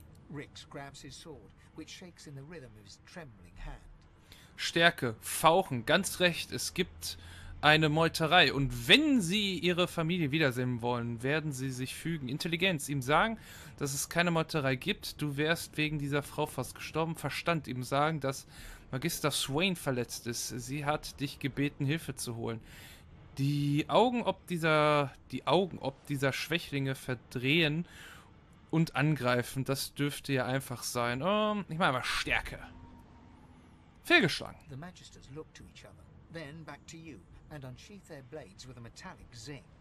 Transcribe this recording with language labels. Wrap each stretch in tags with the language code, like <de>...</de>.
<en>Rix grabs his sword, which shakes in the rhythm of his trembling hand.</en> <de>Stärke, fauchen, ganz recht, es gibt eine Meuterei. Und wenn sie ihre Familie wiedersehen wollen, werden sie sich fügen. Intelligenz, ihm sagen, dass es keine Meuterei gibt. Du wärst wegen dieser Frau fast gestorben. Verstand, ihm sagen, dass Magister Swain verletzt ist. Sie hat dich gebeten, Hilfe zu holen. Die Augen, ob dieser Schwächlinge verdrehen und angreifen, das dürfte ja einfach sein. Oh, ich meine mal Stärke. Fehlgeschlagen.</de> <en>The Magisters look to each other, then back to you, and unsheath their blades with a metallic zing.</en>